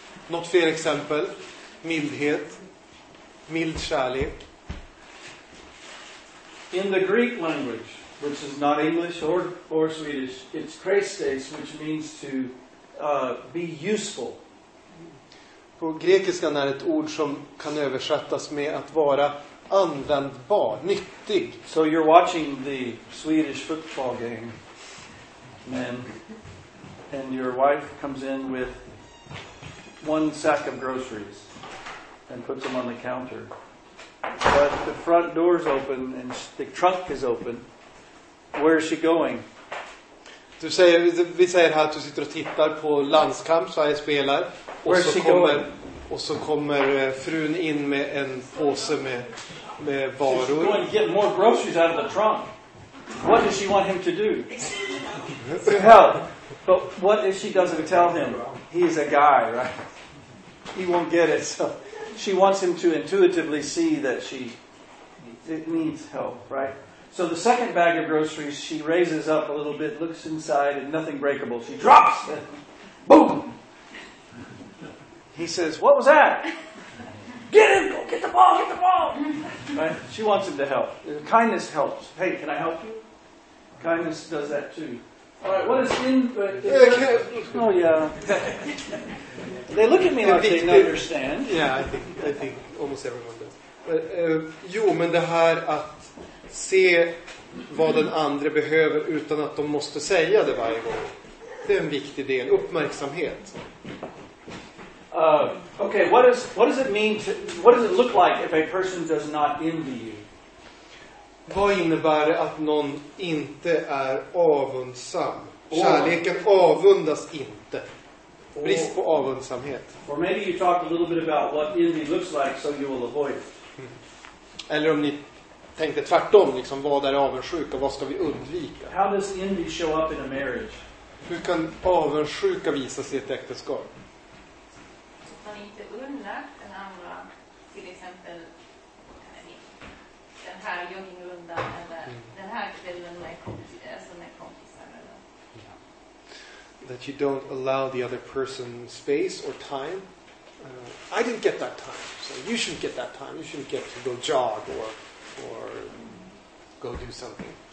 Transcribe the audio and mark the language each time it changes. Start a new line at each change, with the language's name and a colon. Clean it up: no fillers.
English: Not fair example.
Swedish: Mildhet. Mild kärlek.
English: In the Greek language, which is not English or Swedish, it's krestes, which means to be useful.
Swedish: På grekiskan är ett ord som kan översättas med att vara användbar, nyttig.
English: So you're watching the Swedish football game, and your wife comes in with one sack of groceries and puts them on the counter. But the front door's open and the trunk is open. Where is she going?
Swedish: Du säger, vi säger här att du sitter och tittar på landskamp, Sverige spelar.
English: Where is she going?
Swedish: Och så kommer frun in med en påse med varor.
English: She's going to get more groceries out of the trunk. What does she want him to do? To help. But what if she doesn't tell him? He is a guy, right? He won't get it. So she wants him to intuitively see that she it needs help, right? So the second bag of groceries, she raises up a little bit, looks inside, and nothing breakable. She drops it. Boom! He says, what was that? Get him! Go get the ball! Get the ball! Right? She wants him to help. Kindness helps. Hey, can I help you? Kindness does that too. All right, what is in... oh, yeah. They look at me like they don't understand. Yeah, I think almost everyone does.
Swedish: Jo, men det här att se vad den andra behöver utan att de måste säga det varje gång. Det är en viktig del. Uppmärksamhet.
English: Okay, what does it look like if a person does not envy you?
Swedish: Vad innebär det att någon inte är avundsam? Kärleken avundas inte. Brist på avundsamhet.
English: Or maybe you talk a little bit about what envy looks like so you will avoid it.
Swedish: Eller om ni tänkte tvärtom, liksom, vad är avundsjuka och vad ska vi undvika?
English: How does envy show up in a marriage?
Swedish: Hur kan avundsjuka visa sig i ett äktenskap? Man inte undrar den andra, till exempel den här joggingrundan eller den här kvällen med kompisar. Eller?
English: That you don't allow the other person space or time. I didn't get that time, so you shouldn't get that time. You shouldn't get to go jog or go do something.